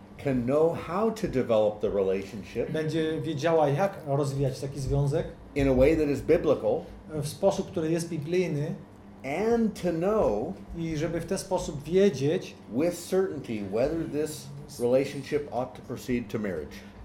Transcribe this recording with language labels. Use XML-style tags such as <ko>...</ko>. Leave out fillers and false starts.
<en>can know how to develop the relationship</en> <pl>będzie wiedziała, jak rozwijać taki związek</pl> <en>in a way that is biblical</en> <pl>w sposób, który jest biblijny</pl> <en>and to know</en> <pl>i żeby w ten sposób wiedzieć</pl> <en>with certainty whether this relationship ought to proceed to marriage</en>